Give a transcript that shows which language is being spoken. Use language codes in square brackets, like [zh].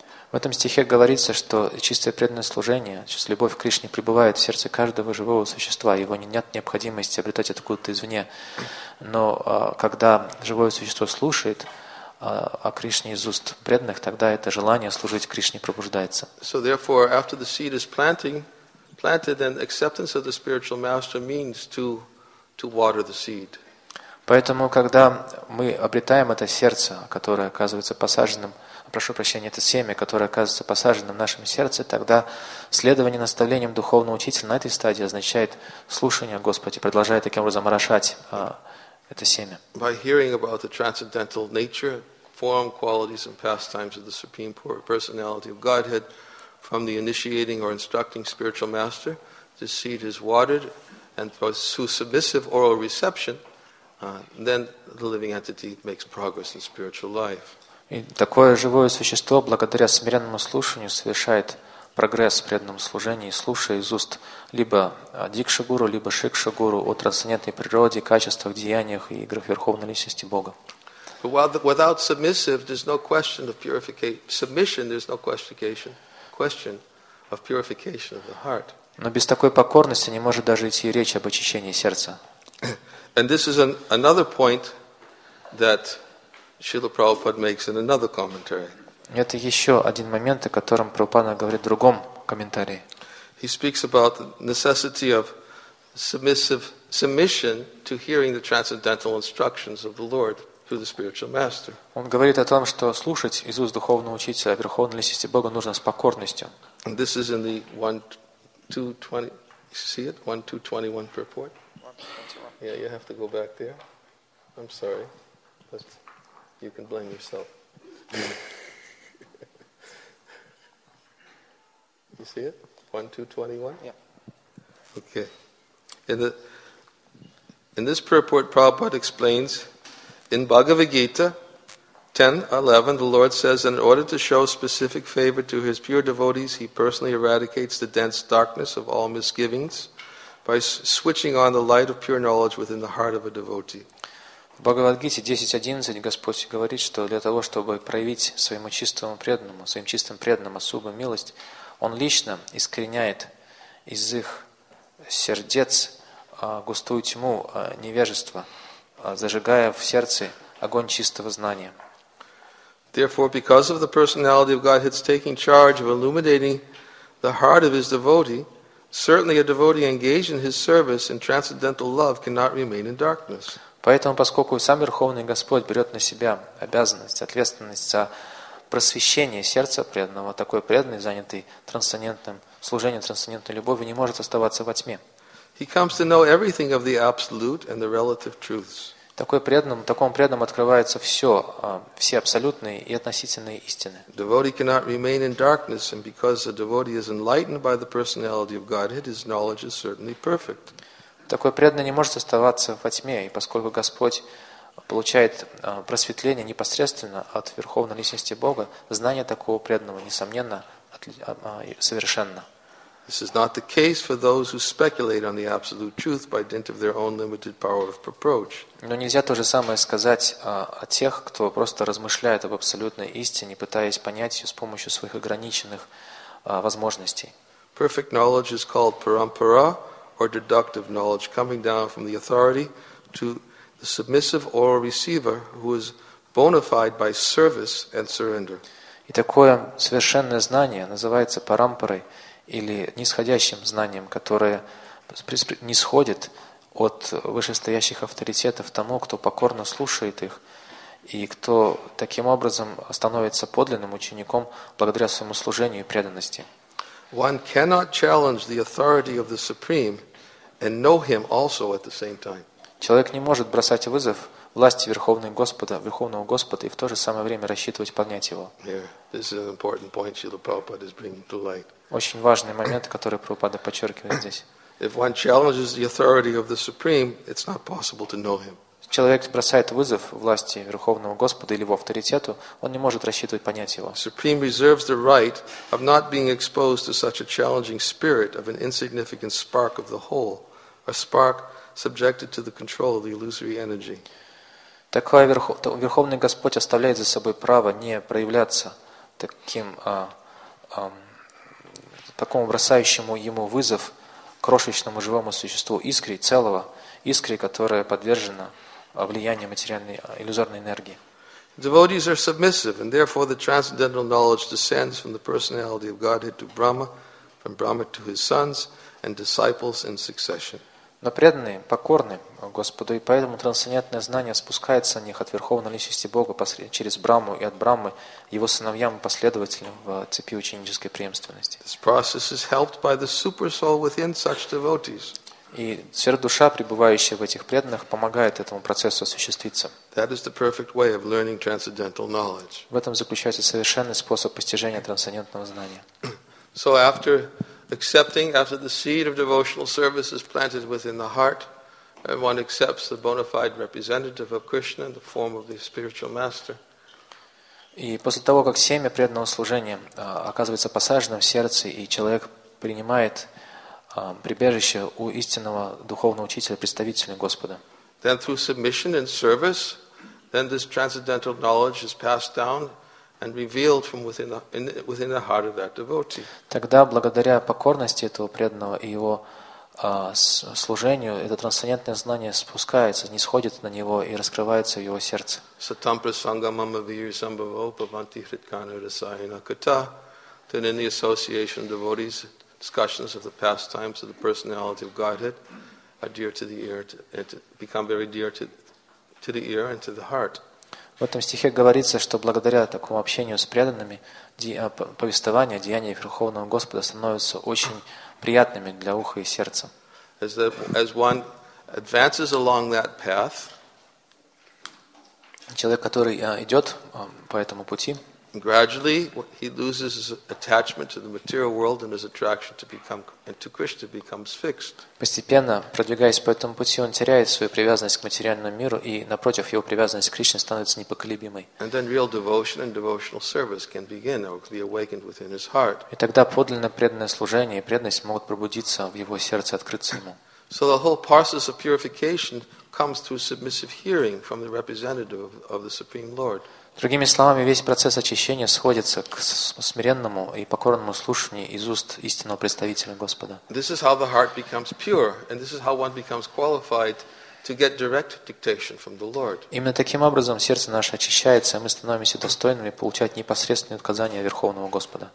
[ru] В этом стихе говорится, что чистое преданное служение, чистая любовь к Кришне пребывает в сердце каждого живого существа. Его нет необходимости обретать откуда-то извне. Но когда живое существо слушает о Кришне из уст преданных, тогда это желание служить Кришне пробуждается. [en] So therefore, after the seed is planted, then acceptance of the spiritual master means to water the seed. [ru] Поэтому, когда мы обретаем это сердце, которое оказывается посаженным, прошу прощения, это семя, которое оказывается посаженным в нашем сердце, тогда следование наставлениям духовного учителя на этой стадии означает слушание Господи, продолжая таким образом орошать это семя. [en] By hearing about the transcendental nature, form, qualities and pastimes of the Supreme Personality of Godhead from the initiating or instructing spiritual master, the seed is watered and through submissive oral reception, then the living entity makes progress in spiritual life. [ru] И такое живое существо, благодаря смиренному слушанию, совершает прогресс в преданном служении, слушая из уст либо дикшагуру, либо шикшагуру о трансцендентной природе, качествах, деяниях и играх Верховной Личности Бога. Но без такой покорности не может даже идти речь об очищении сердца. [en] And this is another point that Srila Prabhupada makes in another commentary. [ru] Это еще один момент, о котором Прабхупада говорит в другом комментарии. [en] He speaks about the necessity of submission to hearing the transcendental instructions of the Lord through the spiritual master. [ru] Он говорит о том, что слушать из уст духовного учителя о Верховной Личности Бога нужно с покорностью. [en] And this is in the 1220, you see it? 1221 purport. Yeah, you have to go back there. I'm sorry. But you can blame yourself. You see it? 1221? Yeah. Okay. In this purport, Prabhupada explains, in Bhagavad Gita 10:11, the Lord says, in order to show specific favor to his pure devotees, he personally eradicates the dense darkness of all misgivings by switching on the light of pure knowledge within the heart of a devotee. [ru] В Бхагавад-гите 10:11 Господь говорит, что для того, чтобы проявить своему чистому преданному, своим чистым преданным особую милость, Он лично искореняет из их сердец густую тьму невежества, зажигая в сердце огонь чистого знания. [en] Therefore, because of the personality of Godhead's taking charge of illuminating the heart of his devotee, certainly a devotee engaged in his service in transcendental love cannot remain in darkness. [ru] Поэтому, поскольку сам Верховный Господь берет на себя обязанность, ответственность за просвещение сердца преданного, такой преданный, занятый трансцендентным служением, трансцендентной любовью, не может оставаться во тьме. [en] He comes to know everything of the absolute and the relative truths. [ru] Такой преданному, такому преданному открывается все, все абсолютные и относительные истины. [en] Devotee cannot remain in darkness, and because a devotee is enlightened by the personality of Godhead, his knowledge is certainly perfect. [ru] Такой преданный не может оставаться во тьме, и поскольку Господь получает просветление непосредственно от Верховной Личности Бога, знание такого преданного, несомненно, совершенно. [en] This is not the case for those who speculate on the absolute truth by dint of their own limited power of approach. [ru] Но нельзя то же самое сказать о тех, кто просто размышляет об абсолютной истине, пытаясь понять ее с помощью своих ограниченных возможностей. [en] Perfect knowledge is called parampara or deductive knowledge, coming down from the authority to the submissive oral receiver, who is bona fide by service and surrender. [ru] И такое совершенное знание называется парампарой, или нисходящим знанием, которое нисходит от вышестоящих авторитетов тому, кто покорно слушает их и кто таким образом становится подлинным учеником благодаря своему служению и преданности. [en] One cannot challenge the authority of the Supreme and know him also at the same time. [ru] Человек не может бросать вызов власти Верховного Господа и в то же самое время рассчитывать поднять его. [en] This is an important point Srila Prabhupada is bringing to light. [ru] Очень важный момент, который Прабхупада подчеркивает здесь. [en] If one challenges the authority of the Supreme, it's not possible to know him. [ru] Человек бросает вызов власти Верховного Господа или его авторитету, он не может рассчитывать понять его. [en] Supreme reserves the right of not being exposed to such a challenging spirit of an insignificant spark of the whole, a spark subjected to the control of the illusory energy. [ru] Такой Верховный Господь оставляет за собой право не проявляться таким такому бросающему ему вызов крошечному живому существу искре целого, искре, которая подвержена влиянию материальной иллюзорной энергии. [en] Devotees are submissive, and therefore the transcendental knowledge descends from the personality of Godhead to Brahma, from Brahma to his sons and disciples in succession. [ru] Но преданные, покорны Господу, и поэтому трансцендентное знание спускается на них от Верховной Личности Бога через Брахму и от Брахмы его сыновьям и последователям в цепи ученической преемственности. [en] This process is helped by the super soul within such devotees. [ru] И сверхдуша, пребывающая в этих преданных, помогает этому процессу осуществиться. [en] That is the perfect way of learning transcendental knowledge. [ru] В этом заключается совершенный способ постижения трансцендентного знания. [en] So after accepting, after the seed of devotional service is planted within the heart, and one accepts the bona fide representative of Krishna in the form of the spiritual master. [ru] И после того, как семя преданного служения оказывается посаженным в сердце, и человек принимает прибежище у истинного духовного учителя, представителя Господа, [en] then through submission and service, then this transcendental knowledge is passed down and revealed from within the heart of that devotee. [ru] Тогда, благодаря покорности этого преданного и его служению, это трансцендентное знание спускается, нисходит на него и раскрывается в его сердце. [sa] Сатам прасангам амавир самбаво паванти хриткана расайна кита. [en] Then in the association of devotees, discussions of the pastimes of the personality of Godhead are dear to the ear and become very dear to the ear and to the heart. [ru] В этом стихе говорится, что благодаря такому общению с преданными, повествования, деяния Верховного Господа становятся очень приятными для уха и сердца. [en] As one advances along that path, [ru] человек, который идет по этому пути, [en] gradually he loses his attachment to the material world and his attraction to become and to Krishna becomes fixed. [ru] Постепенно, продвигаясь по этому пути, он теряет свою привязанность к материальному миру, и напротив, его привязанность к Кришне становится непоколебимой. [en] And then real devotion and devotional service can begin or be awakened within his heart. [ru] И тогда подлинное преданное служение и преданность могут пробудиться в его сердце, открыться ему. [en] So the whole process of purification comes through submissive hearing from the representative of the Supreme Lord. [ru] Другими словами, весь процесс очищения сходится к смиренному и покорному слушанию из уст истинного представителя Господа. [en] This is how the heart becomes pure, and this is how one becomes qualified to get direct dictation from the Lord. [ru] Именно таким образом сердце наше очищается, и мы становимся достойными получать непосредственные указания Верховного Господа.